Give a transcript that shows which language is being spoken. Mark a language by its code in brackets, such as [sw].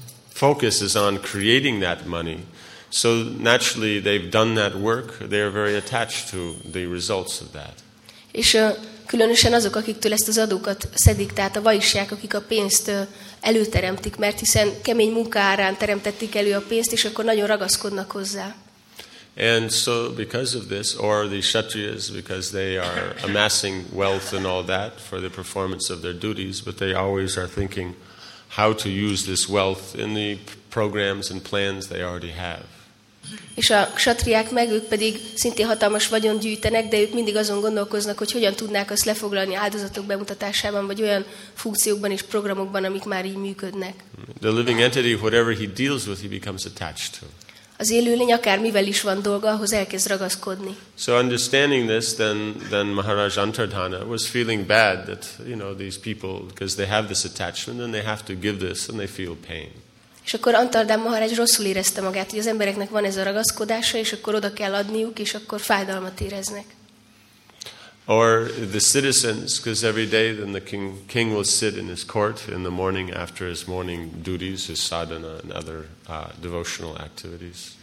[en] Focus is on creating that money. So naturally they've done that work, they are very attached to the results of that. [hu] És különösen azok, akiktől ezt az adókat szedik, tehát a vaisják, akik a pénzt előteremtik, mert hiszen kemény munka árán teremtették elő a pénzt, és akkor nagyon ragaszkodnak hozzá. [en] And so because of this, or the kshatriyas, because they are amassing wealth and all that for the performance of their duties, but they always are thinking how to use this wealth in the programs and plans they already have. [hu] És a kshatriák meg, ők pedig szintén hatalmas vagyon gyűjtenek, de ők mindig azon gondolkoznak, hogy hogyan tudnák azt lefoglalni áldozatok bemutatásában, vagy olyan funkciókban és programokban, amik már így működnek. [en] The living entity, whatever he deals with, he becomes attached to. [hu] Az élőlény akármivel is van dolga, ahhoz elkezd ragaszkodni. [en] So understanding this, then Maharaj Antardhana was feeling bad that, you know, these people, because they have this attachment and they have to give this and they feel pain. [hu] És akkor Antardhana Maharaj rosszul érezte magát, hogy az embereknek van ez a ragaszkodása, és akkor oda kell adniuk, és akkor fájdalmat éreznek. [en] Or the citizens, because every day then the king will sit in his court in the morning after his morning duties, his sadhana and other devotional activities.